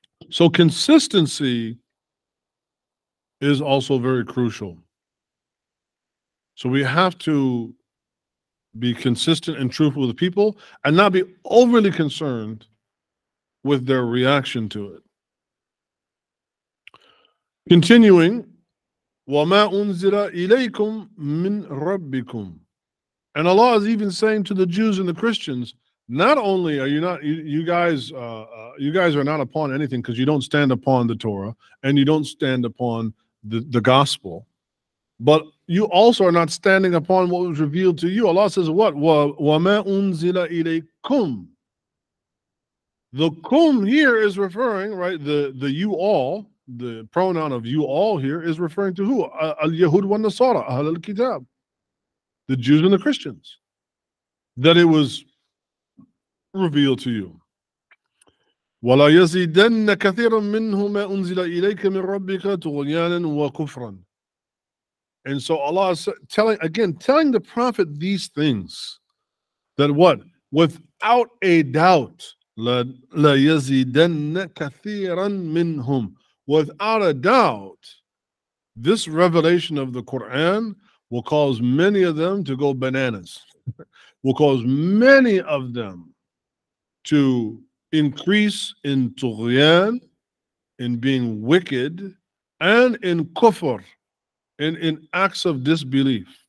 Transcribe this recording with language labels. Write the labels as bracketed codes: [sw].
[en] So consistency is also very crucial. So we have to be consistent and truthful with people and not be overly concerned with their reaction to it. Continuing, [ar] وَمَا أُنزِلَ إِلَيْكُمْ مِنْ رَبِّكُمْ. [en] And Allah is even saying to the Jews and the Christians, not only are you not, you guys are not upon anything because you don't stand upon the Torah and you don't stand upon the gospel, but you also are not standing upon what was revealed to you. Allah says what? [ar] وَمَا أُنزِلَ إِلَيْكُمْ. [en] The kum here is referring, right, the you all, the pronoun of you all here is referring to who? [ar] Al-Yahud wa Nasara, Ahl al-Kitab, [en] the Jews and the Christians, that it was revealed to you. [ar] وَلَا يَزِيدَنَّ كَثِيرًا مِّنْهُمَا أُنزِلَ إِلَيْكَ مِنْ رَبِّكَ تُغْيَانًا وَكُفْرًا. [en] And so Allah is telling, again, telling the Prophet these things, that what? Without a doubt, [ar] لَا يَزِيدَنَّ كَثِيرًا مِّنْهُمْ. [en] Without a doubt, this revelation of the Qur'an will cause many of them to go bananas, will cause many of them to increase in tughyan, in being wicked, and in kufr, in acts of disbelief.